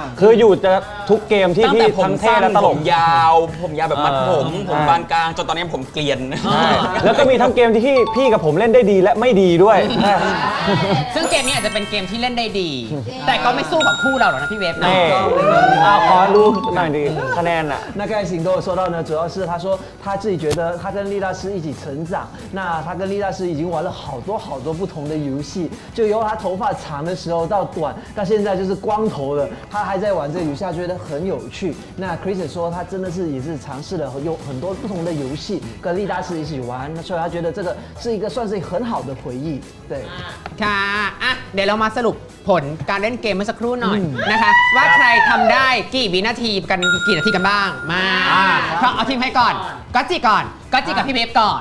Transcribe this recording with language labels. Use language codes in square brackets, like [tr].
[th] คืออยู่จะทุกเกมที่พี่ทั้งเท่และตลก ยาวผมยาวแบบมัดผมผมบางกลางจนตอนนี้ผมเกลียน แล้วก็มีทั้งเกมที่พี่กับผมเล่นได้ดีและไม่ดีด้วย ซึ่งเกมนี้อาจจะเป็นเกมที่เล่นได้ดีแต่ก็ไม่สู้กับคู่เราหรอกนะพี่เวฟ เนาะขอรู้หน่อยดีคะแนนอ่ะ [zh] 那刚才行动说到呢主要是他说他自己觉得他跟莉大师一起成长那他跟莉大师已经玩了好多好多不同的游戏就由他头发长的时候到短到现在就是光头的他还在玩这个游戏他觉得很有趣那 Chris 说他真的是也是尝试了有很多不同的游戏跟莉大师一起玩所以他觉得这个是一个算是很好的回忆对 [th] ค่ะเดี๋ยวเรามาสรุปผลการเล่นเกมเมื่อสักครู่หน่อยนะคะว่าใครทำได้กี่วินาทีกันกี่นาทีกันบ้างมาเขาเอาทีมให้ก่อนก็จีก่อนก็จีกับพี่เบฟก่อน